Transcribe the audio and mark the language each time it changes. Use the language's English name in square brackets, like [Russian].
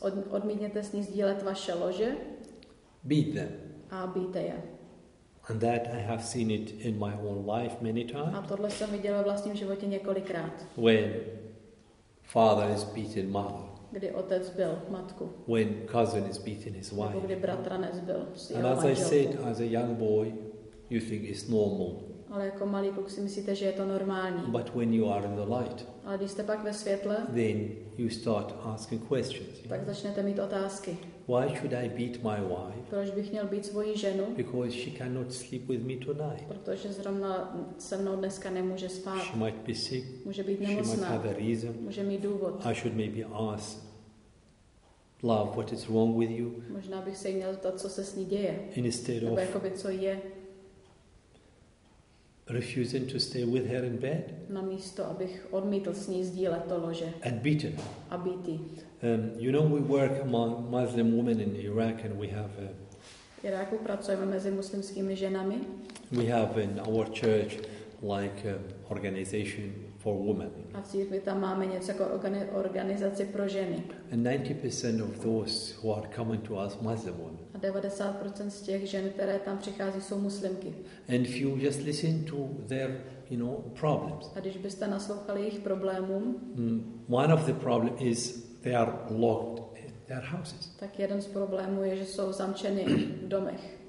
[Czech] Odmítněte s ní sdílet vaše lože. [English] Beat them. [Czech] A bijte je. [English] And that I have seen it in my own life many times. [Czech] A tohle jsem viděl ve vlastním životě několikrát. [English] When father is beating mother. [Czech] Kdy otec bil matku. [English] When cousin is beating his wife. [Czech] Kdy bratranec bil svého manželku. [English] And as I said, as a young boy, you think it's normal. [Czech] Ale jako malý kluk si myslíte, že je to normální. [English] But when you are in the light. [Czech] Ale když jste pak ve světle. [English] Then you start asking questions. [Czech] Tak [English] know? [Czech] Začnete mít otázky. [English] Why should I beat my wife? [Czech] Proč bych měl být svoji ženu? [English] Because she cannot sleep with me tonight. [Czech] Protože zrovna se mnou dneska nemůže spát. [English] She might be sick. [Czech] Může být nemocná. [English] She might have a reason. [Czech] Může mít důvod. [English] I should maybe ask. Love, what is wrong with you? [Czech] Možná bych se jí měl zeptat, co se s ní děje. [English] Instead [Czech] nebo [English] of [Czech] jakoby, co je. [English] Refusing to stay with her in bed. [Czech] Na místo, abych odmítl s ní sdílet to lože. [English] And beaten. [Czech] A bítý. [English] You know, we work among Muslim women in Iraq, and we have. [Czech] V Iráku pracujeme mezi muslimskými ženami. [English] We have in our church like organization for women. [Czech] A v církvi tam máme něco jako organizaci pro ženy. [English] And 90% of those who are coming to us Muslim women. [Czech] A 90% z těch žen, které tam přichází, jsou muslimky. [English] And if you just listen to their, you know, problems. [Czech] A když byste naslouchali jejich problémům. [English] One of the problem is they are locked in their houses. [Czech] Tak jeden z problémů je, že jsou zamčeny v domech.